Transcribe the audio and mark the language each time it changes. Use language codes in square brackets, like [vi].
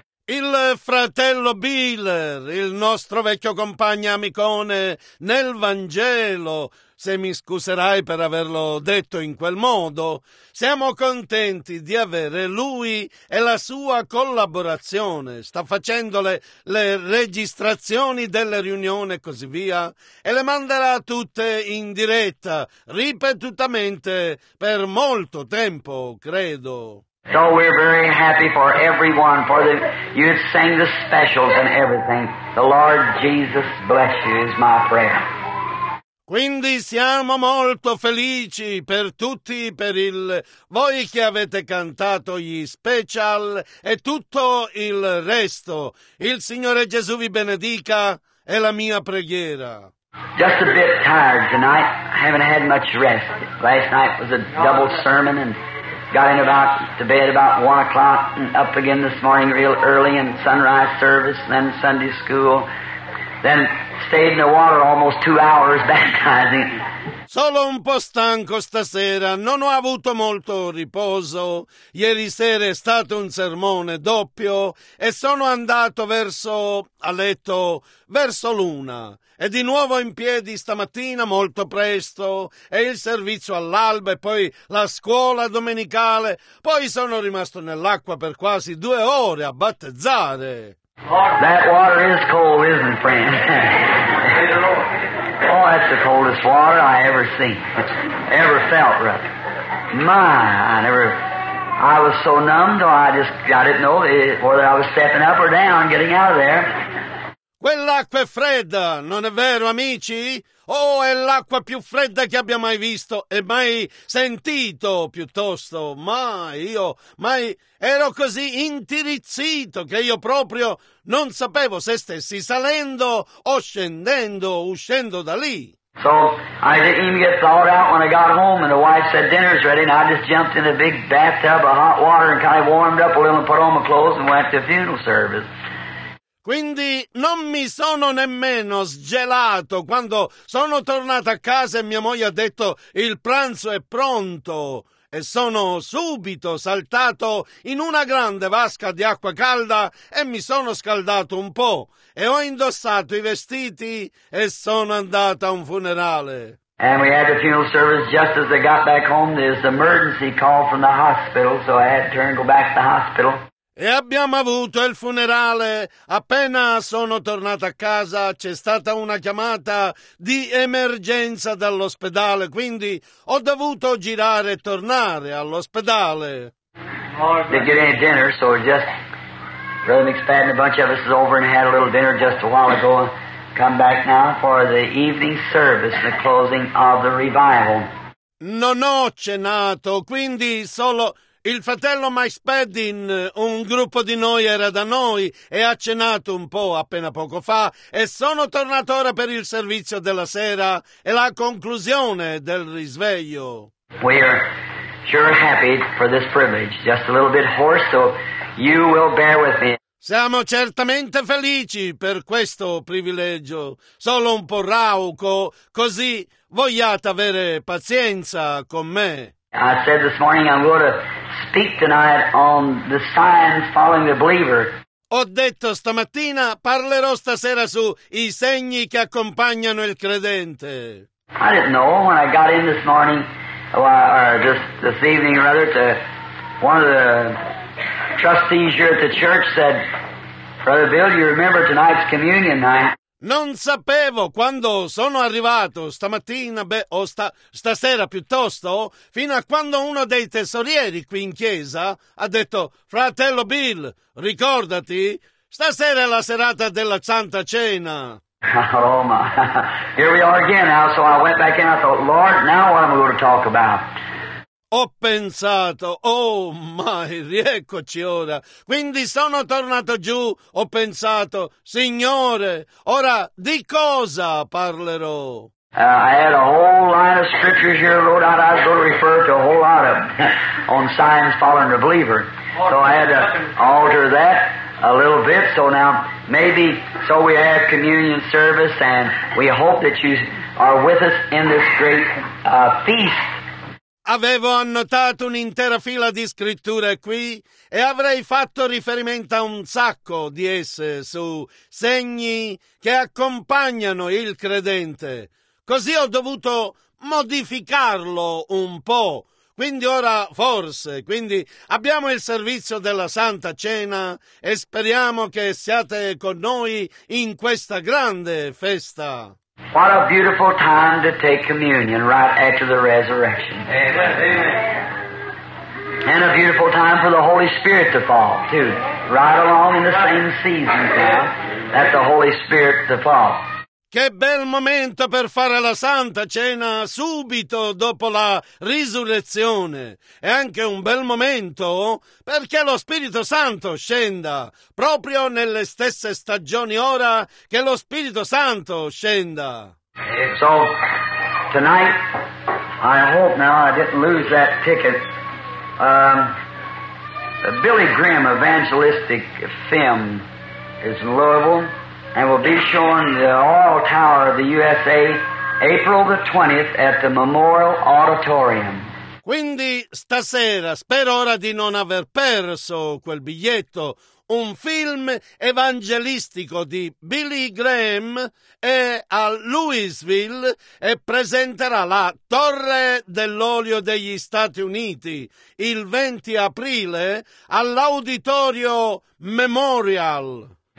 [it] Il fratello Biller, il nostro vecchio compagno amicone nel Vangelo, se mi scuserai per averlo detto in quel modo, siamo contenti di avere lui e la sua collaborazione. Sta facendo le registrazioni delle riunioni e così via, e le manderà tutte in diretta, ripetutamente, per molto tempo, credo. [en] So we're very happy for everyone, for the you sang the specials and everything. The Lord Jesus bless you is my prayer. [it] Quindi siamo molto felici per tutti, per il voi che avete cantato gli special e tutto il resto. Il Signore Gesù vi benedica è la mia preghiera. [en] Just a bit tired tonight. I haven't had much rest. Last night was a double sermon and got in about to bed about 1 o'clock and up again this morning real early in sunrise service, then Sunday school, then stayed in the water almost 2 hours baptizing. [it] Solo un po' stanco stasera, non ho avuto molto riposo. Ieri sera è stato un sermone doppio e sono andato verso a letto verso l'una. E di nuovo in piedi stamattina molto presto e il servizio all'alba e poi la scuola domenicale. Poi sono rimasto nell'acqua per quasi 2 ore a battezzare. [en] That water is cold, isn't it, friend? Oh, that's the coldest water I ever seen, ever felt, brother. My, I was so numb, though I didn't know whether I was stepping up or down, getting out of there. [it] Quell'acqua è fredda, non è vero, amici? Oh, è l'acqua più fredda che abbia mai visto e mai sentito, piuttosto. Mai, ero così intirizzito che io proprio non sapevo se stessi salendo o scendendo, uscendo da lì. [en] So, I didn't even get thawed out when I got home and the wife said dinner's ready and I just jumped in a big bathtub of hot water and kind of warmed up a little and put on my clothes and went to a funeral service. [it] Quindi non mi sono nemmeno sgelato quando sono tornato a casa e mia moglie ha detto il pranzo è pronto e sono subito saltato in una grande vasca di acqua calda e mi sono scaldato un po' e ho indossato i vestiti e sono andato a un funerale. [en] And we had the funeral service just as I got back home. There's an emergency call from the hospital, so I had to turn and go back to the hospital. [it] E abbiamo avuto il funerale. Appena sono tornato a casa, c'è stata una chiamata di emergenza dall'ospedale, quindi ho dovuto girare e tornare all'ospedale. [en] Didn't get any dinner, so just Brother McSpadden, a bunch of us is over and had a little dinner just a while ago. Come back now for the evening service, the closing of the revival. [it] Non ho cenato, quindi solo il fratello Mike Spedding, un gruppo di noi era da noi e ha cenato un po' appena poco fa e sono tornato ora per il servizio della sera e la conclusione del risveglio. [en] We are sure happy for this privilege. Just a little bit hoarse, so you will bear with me. [it] Siamo certamente felici per questo privilegio. Solo un po' rauco, così vogliate avere pazienza con me. [en] I said this morning I'm going to speak tonight on the signs following the believer. [it] Ho detto stamattina parlerò stasera su i segni che accompagnano il credente. [en] I didn't know when I got in this morning, or just this evening rather, to one of the trustees here at the church said, Brother Bill, you remember tonight's communion night? [it] Non sapevo quando sono arrivato stamattina, stasera piuttosto, fino a quando uno dei tesorieri qui in chiesa ha detto, fratello Bill, ricordati, stasera è la serata della Santa Cena. [en] Oh my, here we are again now, so I went back in, I thought, Lord, now what am I going to talk about? [it] Ho pensato, [en] oh my, [it] rieccoci ora. Quindi sono tornato giù, ho pensato, Signore, ora di cosa parlerò? [en] I had a whole lot of scriptures here, wrote out, I was going to refer to a whole lot of on signs following the believer. So I had to alter that a little bit. So now, maybe, so we have communion service and we hope that you are with us in this great feast. [it] Avevo annotato un'intera fila di scritture qui e avrei fatto riferimento a un sacco di esse su segni che accompagnano il credente. Così ho dovuto modificarlo un po'. Quindi ora, forse, quindi abbiamo il servizio della Santa Cena e speriamo che siate con noi in questa grande festa. [en] What a beautiful time to take communion right after the resurrection. Amen. And a beautiful time for the Holy Spirit to fall, too. Right along in the same season, now, that the Holy Spirit to fall. [it] Che bel momento per fare la Santa Cena subito dopo la risurrezione. È anche un bel momento perché lo Spirito Santo scenda proprio nelle stesse stagioni ora che lo Spirito Santo scenda. [en] So, tonight, I hope now I didn't lose that ticket. The Billy Graham evangelistic film is in Louisville. And we'll be showing the Oil Tower of the USA April the 20th at the Memorial Auditorium. [it] Quindi stasera, spero ora di non aver perso quel biglietto, un film evangelistico di Billy Graham è a Louisville e presenterà la Torre dell'Olio degli Stati Uniti il 20 aprile all'Auditorio Memorial.